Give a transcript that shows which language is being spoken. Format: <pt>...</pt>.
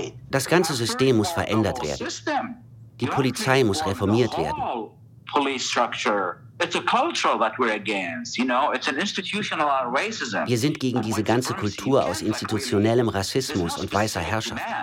<de>Das ganze System muss verändert werden. Die Polizei muss reformiert werden.</de> <en>police structure. It's a cultural that we're against, you know? It's an institutionalized racism.</en> <de>Wir sind gegen diese ganze Kultur aus institutionellem Rassismus und weißer Herrschaft.</de>